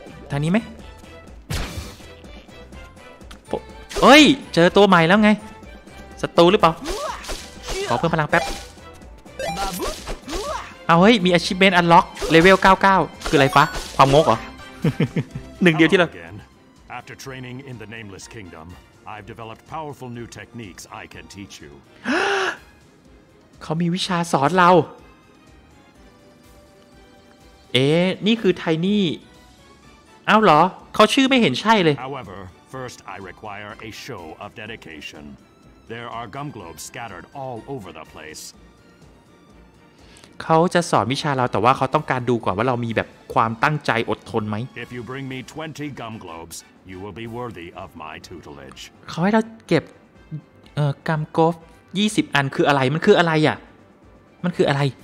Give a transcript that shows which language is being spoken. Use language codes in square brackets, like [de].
[th] ทางนี้ไหมเอ้ยเจอตัวใหม่แล้วไงศัตรูหรือเปล่าขอเพิ่มพลังแป๊บเอาเฮ้ยมี achievement unlock level 99คืออะไรฟะความงกเหรอ หนึ่งเดียวที่เรา [en] After training in the Nameless Kingdom I've developed powerful new techniques I can teach you [th] เขามีวิชาสอนเรา เอ๊ะนี่คือไทนี่เอ้าเหรอเขาชื่อไม่เห็นใช่เลย [en] However, first I require a show of dedication. There are gum globes scattered all over the place. [th] เขาจะสอนวิชาเราแต่ว่าเขาต้องการดูก่อนว่าเรามีแบบความตั้งใจอดทนไหม [en] If you bring me 20 gum globes, you will be worthy of my tutelage. [th] เขาให้เราเก็บกัมกลบ20อันคืออะไรมันคืออะไรอ่ะมันคืออะไร